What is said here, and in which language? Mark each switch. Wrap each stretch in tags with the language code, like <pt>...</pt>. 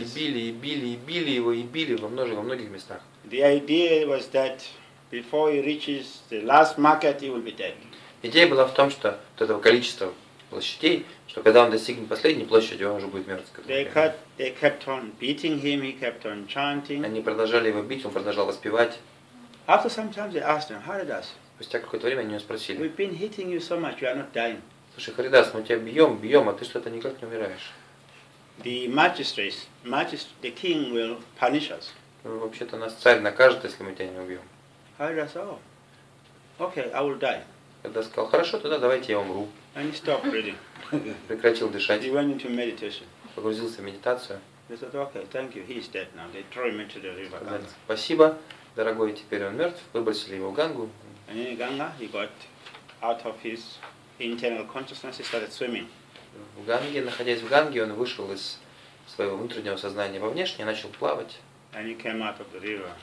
<ru>Били его во многих местах.</ru> <en>The idea was that before he reaches the last market, he will be dead.</en> <ru>Идея была в том, что от этого количества площадей, что когда он достигнет последней площади, он уже будет мертв.</ru> <en>They kept on beating him. He kept on chanting.</en> <ru>Они продолжали его бить, он продолжал воспевать.</ru> <en>After some time, they asked him, "Haridas."</en> <ru>Спустя какое-то время они его спросили.</ru> <en>We've been hitting you so much, you are not dying.</en> <ru>Слушай, Haridas, мы тебя бьем, а ты что-то никак не умираешь.</ru> <en>The magistrates, the king will punish us.</en> <ru>Вообще-то нас царь накажет, если мы тебя не убьем.</ru> <en>Haridas, oh, okay, I will die.</en> <ru>Haridas сказал: "Хорошо, тогда давайте я умру."</ru> <en>And he stopped breathing.</en> <ru>Прекратил дышать.</ru> <en>He went into meditation.</en> <ru>Погрузился в медитацию.</ru> <en>They said, "Okay, thank you, he is dead now. They threw him into the river."</en> <ru>Спасибо, дорогой, теперь он мертв. Выбросили его в Гангу.</ru> <en>And in Ganga, he got out of his internal consciousness, he started swimming.</en> <ru>В Ганге, находясь в Ганге, он вышел из своего внутреннего сознания во внешнее и начал плавать.</ru> <en>And he came out of the river.</en>